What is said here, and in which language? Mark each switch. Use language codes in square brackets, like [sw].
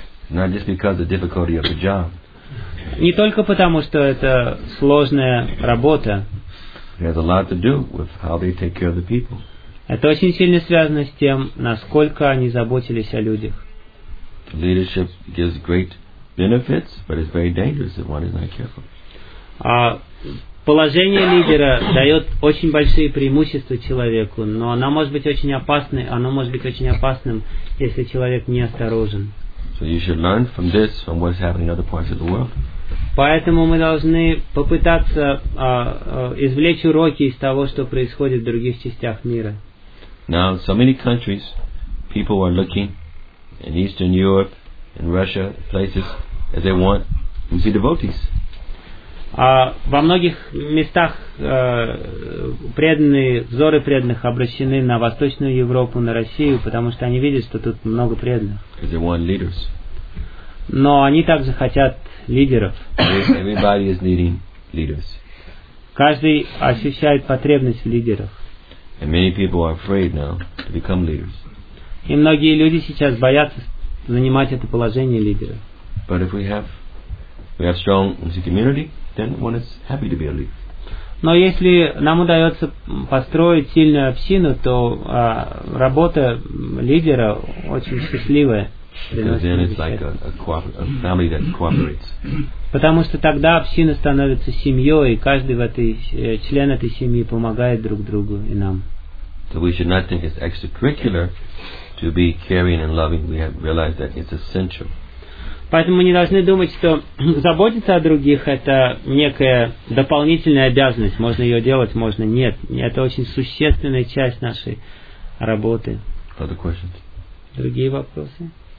[en] Not just because of the difficulty of the job. [ru] Не только потому, что это сложная работа. [en] It has a lot to do with how they take care of the people. [ru] Это очень сильно связано с тем, насколько они заботились о людях. [en] Leadership gives great benefits, but it's very dangerous if one is not careful. [ru] Положение лидера дает очень большие преимущества человеку, но оно может быть очень опасным, если человек не осторожен. [en] So you should learn from this, from what's happening in other parts of the world. [ru] Поэтому мы должны попытаться извлечь уроки из того, что происходит в других частях мира. [en] Now, so many countries, people are looking in Eastern Europe, in Russia, places as they want to see devotees. [ru] Во многих местах преданные, взоры преданных обращены на Восточную Европу, на Россию, потому что они видят, что тут много преданных. [en] They want leaders. [ru] Но они также хотят лидеров. [en] Everybody is needing leaders. [ru] Каждый ощущает потребность в лидерах. [en] And many people are afraid now to become leaders. [ru] И многие люди сейчас боятся занимать это положение лидера. [en] But if we have strong community, then one is happy to be a leader. [ru] Но если нам удается построить сильную общину, то работа лидера очень счастливая. [en] Because then it's like a family that cooperates. [ru] Потому что тогда община становится семьей, и каждый в этой член этой семьи помогает друг другу и нам. [en] So we should not think it's extracurricular to be caring and loving. We have realized that it's essential. [ru] Поэтому мы не должны думать, что заботиться о других – это некая дополнительная обязанность. Можно ее делать, можно – нет. Это очень существенная часть нашей работы. [en] Other questions? [ru] Другие вопросы?